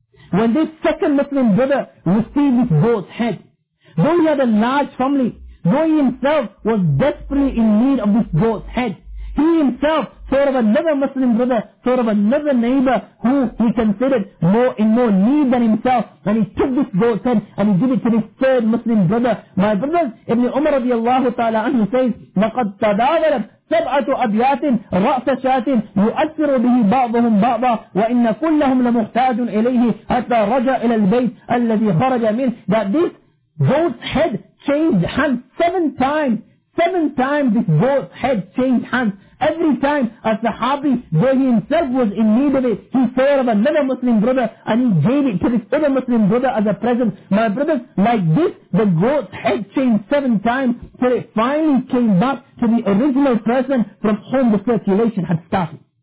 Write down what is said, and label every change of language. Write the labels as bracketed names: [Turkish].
[English] When this second Muslim brother received this goat's head, though he had a large family, though he himself was desperately in need of this goat's head, he himself thought of another Muslim brother, thought of another neighbor who he considered more in more need than himself, and he took this goat's head and he gave it to this third Muslim brother. My brothers, [Arabic] Ibn Umar radiallahu ta'ala anhu says, "Maqad tadawalat سبعة أبيات رأس شاة يؤثر به بعضهم بعضا وإن كلهم لمحتاج إليه حتى رجع إلى البيت الذي خرج منه." [English] That this goat's head changed hands seven times. This goat's head changed hands every time a Sahabi, though he himself was in need of it, he thought of another Muslim brother and he gave it to this other Muslim brother as a present. My brothers, like this, the goat's head changed seven times till it finally came back to the original person from whom the circulation had started.